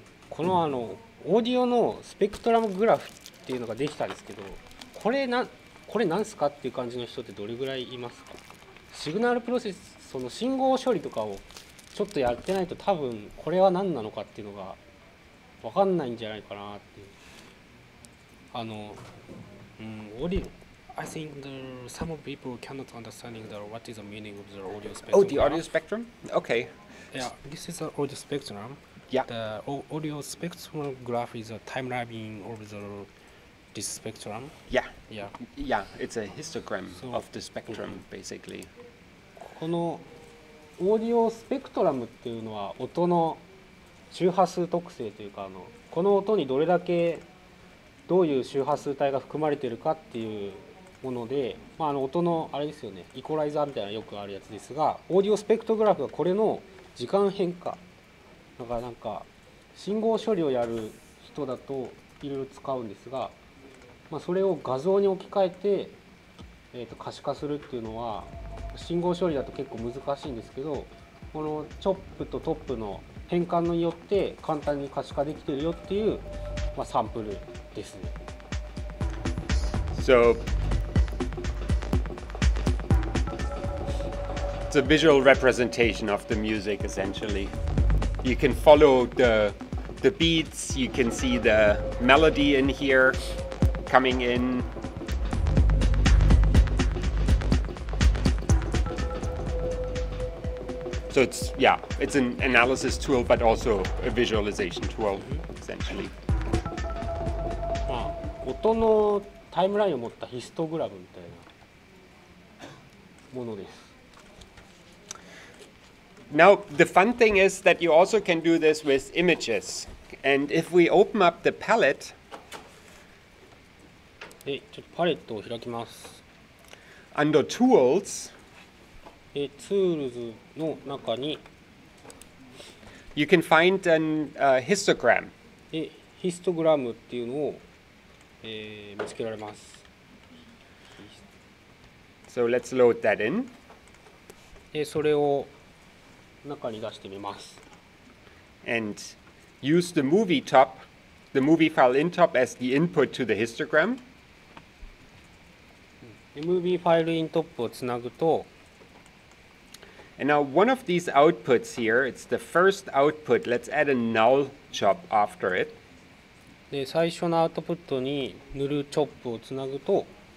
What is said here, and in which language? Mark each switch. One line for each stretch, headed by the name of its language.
Japanese: このあのオーディオのスペクトラムグラフっていうのができたんですけど、これなんすかっていう感じの人ってどれぐらいいますか？シグナルプロセス、その信号処理とかをちょっとやってないと多分これは何なのかっていうのが分かんないんじゃないかなっていう。あの、オーディオ。
English: I think some people cannot understand what is the meaning of the audio spectrum. Oh, the audio spectrum? Okay. Yeah, this is the audio spectrum. Yeah. The audio spectrum graph is a timelapsing of the this spectrum. Yeah. Yeah. Yeah, it's a histogram so, of the spectrum, mm-hmm. basically.
Japanese: このオーディオスペクトラムっていうのは音の周波数特性というか、あのこの音にどれだけどういう周波数帯が含まれているかっていうもので、まあ、あの音のあれですよね、イコライザーみたいなよくあるやつですが、オーディオスペクトグラフはこれの時間変化だから、なんか信号処理をやる人だといろいろ使うんですが、まあ、それを画像に置き換えて、可視化するっていうのは信号処理だと結構難しいんですけど、このチョップとトップの変換によって簡単に可視化できてるよっていう、まあ、サンプルですね。
English: So, it's a visual representation of the music essentially. You can follow the beats, you can see the melody in here coming in. So it's, yeah, it's an analysis tool, but also a visualization tool, essentially.
Japanese: まあ、音のタイムラインを持ったヒストグラムみたいなものです。
English: Now, the fun thing is that you also can do this with images. And if we open up the palette...
Japanese: え、ちょっとパレットを開きます。
English: Under tools...
Japanese: ツールズの中に
English: You can find an histogram.
Japanese: ヒストグラムっていうのを、見つけられます。
English: So let's load that in.
Japanese: それを中に出してみます。
English: And use the movie top, the movie file in top as the input to the histogram.
Japanese: Movie file in top をつなぐと
English: And now one of these outputs here, it's the first output, let's add a null chop after it.
Japanese: で、最初のアウトプットにヌルチョップをつなぐと。